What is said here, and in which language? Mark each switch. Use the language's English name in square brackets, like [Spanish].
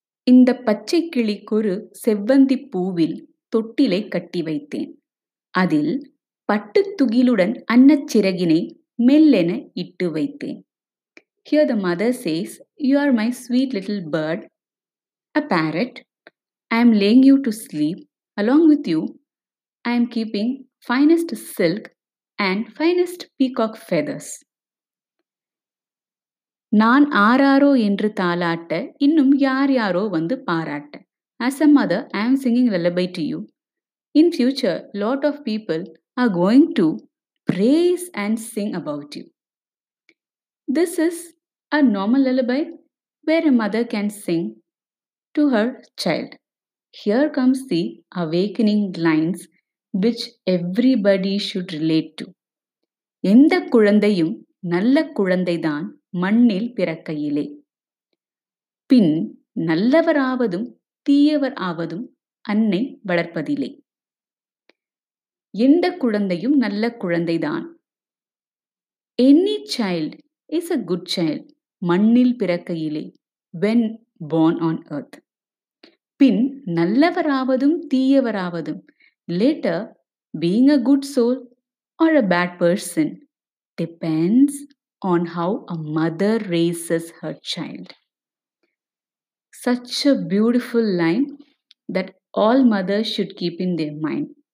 [Tamil] இந்த பச்சை கிளிக்கொரு செவ்வந்தி பூவில் தொட்டிலை கட்டி வைத்தேன். அதில் பட்டுத்துகிலுடன் அன்னச்சிறகினை மெல்லென இட்டு வைத்தேன். [English] Here the mother says, You are my sweet little bird, a parrot. I am laying you to sleep. Along with you, I am keeping finest silk and finest peacock feathers. [Tamil] நான் ஆறாரோ என்று தாளாட்ட இன்னும் யார் யாரோ வந்து பாராட்ட. [English] As a mother, I am singing lullaby to you. In future, lot of people are going to praise and sing about you. This is a normal lullaby where a mother can sing to her child. Here comes the awakening lines which everybody should relate to. [Tamil] எந்த குழந்தையும் நல்ல குழந்தைதான் மண்ணில் பிறக்கையிலே பின் நல்லவராவதும் தீயவர் ஆவதும் அன்னை வளர்ப்பதிலே. எந்த குழந்தையும் நல்ல குழந்தைதான். [English] any child is a good child [Tamil] மண்ணில் பிறக்கையிலே [English] When born on earth. [Tamil] Bin நல்லவராவதும் தீயவராவதும் [English] Later being a good soul or a bad person depends on how a mother raises her child. Such a beautiful line that all mothers should keep in their mind.